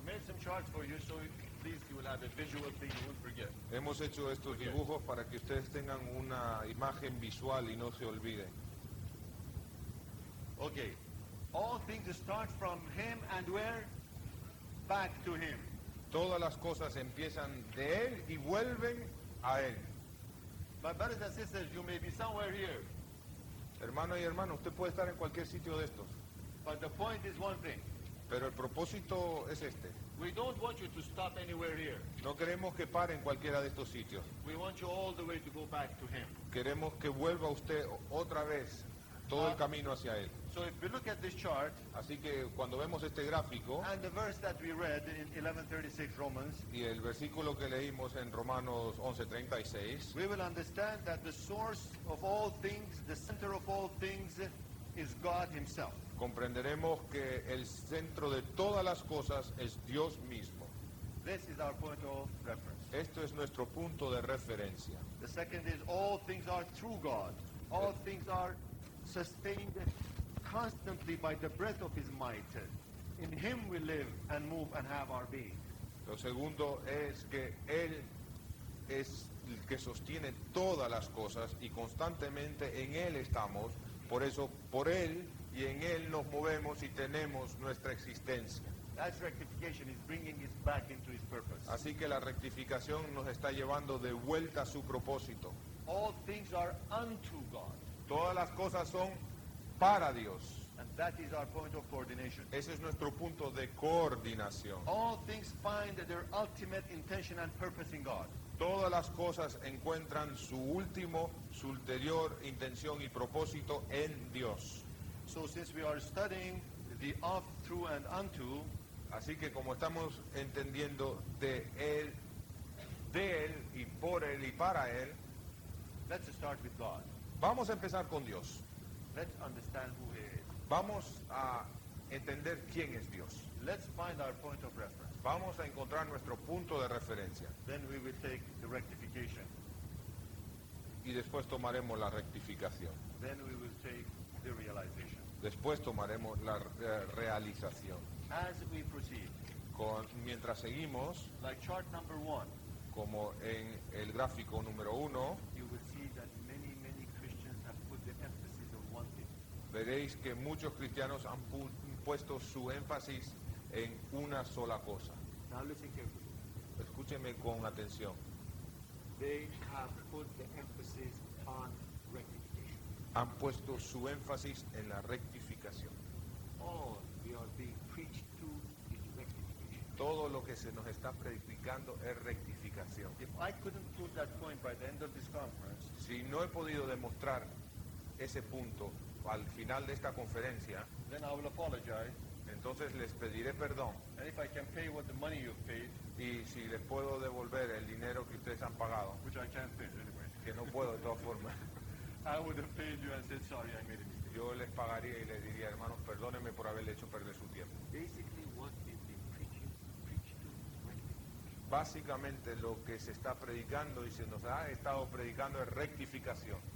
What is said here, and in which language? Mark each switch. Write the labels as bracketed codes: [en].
[en] We made some charts for you, so please you will have a visual thing you won't forget. [es] Hemos hecho estos dibujos para que ustedes tengan una imagen visual y no se olviden. [en] Okay. All things start from him and where? Back to him. [es] Todas las cosas empiezan de él y vuelven a él. [en] My brothers and sisters, you may be somewhere here. [es] Hermano y hermano, usted puede estar en cualquier sitio de estos. [en] But the point is one thing. [es] Pero el propósito es este. [en] We don't want you to stop anywhere here. [es] No queremos que pare en cualquiera de estos sitios. [en] We want you all the way to go back to him. [es] Queremos que vuelva usted otra vez todo el camino hacia él. [en] So if we look at this chart, [es] así que cuando vemos este gráfico, [en] and the verse that we read in 11:36 Romans, [es] y el versículo que leímos en Romanos 11:36, [en] we will understand that the source of all things, the center of all things, is God Himself. [es] Comprenderemos que el centro de todas las cosas es Dios mismo. [en] This is our point of reference. [es] Esto es nuestro punto de referencia. [en] The second is all things are through God. All things are sustained constantly by the breath of his might. In him we live and move and have our being. [es] Lo segundo es que él es el que sostiene todas las cosas y constantemente en él estamos, por eso por él y en él nos movemos y tenemos nuestra existencia. [en] That's rectification, is bringing us back into his purpose. [es] Así que la rectificación nos está llevando de vuelta a su propósito. [en] All things are unto God. [es] Todas las cosas son para Dios. [en] And that is our point of coordination. [es] Ese es nuestro punto de coordinación. [en] All things find their ultimate intention and purpose in God. [es] Todas las cosas encuentran su último, su ulterior intención y propósito en Dios. [en] So since we are studying the of, through and unto, [es] así que como estamos entendiendo de él y por él y para él, [en] let's start with God. [es] Vamos a empezar con Dios. [en] Let's understand who he is. [es] Vamos a entender quién es Dios. [en] Let's find our point of reference. [es] Vamos a encontrar nuestro punto de referencia. [en] Then we will take the rectification. [es] Y después tomaremos la rectificación. [en] Then we will take the realization. [es] Después tomaremos la realización. [en] As we proceed. [es] Mientras seguimos. [en] Like chart number one. [es] Como en el gráfico número uno. [en] You will see that many Christians have put the emphasis on one thing. [es] Veréis que muchos cristianos han puesto su énfasis en una sola cosa. [en] Now listen carefully. [es] Escúcheme con atención. [en] They have put the emphasis on rectification. [es] Han puesto su énfasis en la rectificación. [en] All we are being preached to is rectification. [es] Todo lo que se nos está predicando es rectificación. [en] If I couldn't prove that point by the end of this conference, [es] si no he podido demostrar ese punto al final de esta conferencia, [en] then I will apologize. [es] Entonces les pediré perdón. [en] And if I can pay what the money you've paid, [es] y si les puedo devolver el dinero que ustedes han pagado, [en] which I can't pay anyway, [es] que no puedo de todas formas, [en] I would have paid you and said sorry, I made a mistake. [es] Yo les pagaría y les diría, hermanos, perdónenme por haberle hecho perder su tiempo. [en] Basically, what is the preaching to rectification? [es] Básicamente lo que se está predicando y se nos ha estado predicando es rectificación.